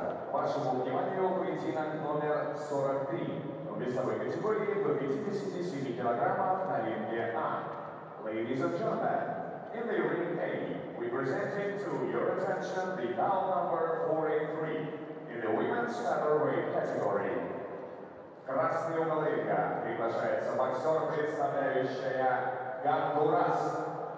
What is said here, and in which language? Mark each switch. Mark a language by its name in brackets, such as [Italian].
[Russian] Вашему вниманию поединок номер 43 в весовой категории до 57 килограммов на ринге А. [English] Ladies and gentlemen, in the ring A, we presenting to your attention the bout number 43 in the women's featherweight category. [Russian] Красный угол ринга приглашается боксер, представляющая Гондурас.